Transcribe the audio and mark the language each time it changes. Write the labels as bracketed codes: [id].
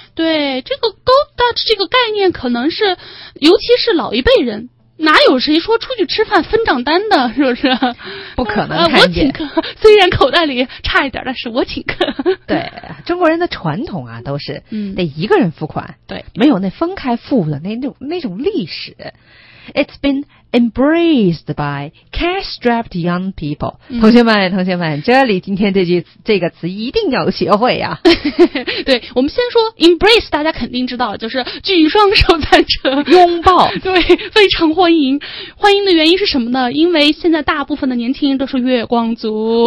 [zh] 对，这个勾搭这个概念可能是尤其是老一辈人，哪有谁说出去吃饭分账单的，是不是？不可能看见。我请客，虽然口袋里差一点，但是我请客。对，中国人的传统啊，都是得一个人付款，对，没有那分开付的那种历史。 [en] It's been embraced by cash-strapped young people. [zh] 同学们，同学们，这里今天这个词一定要学会呀、啊！对，我们先说 embrace， 大家肯定知道，就是举双手赞成，拥抱，对，非常欢迎。欢迎的原因是什么呢？因为现在大部分的年轻人都是月光族，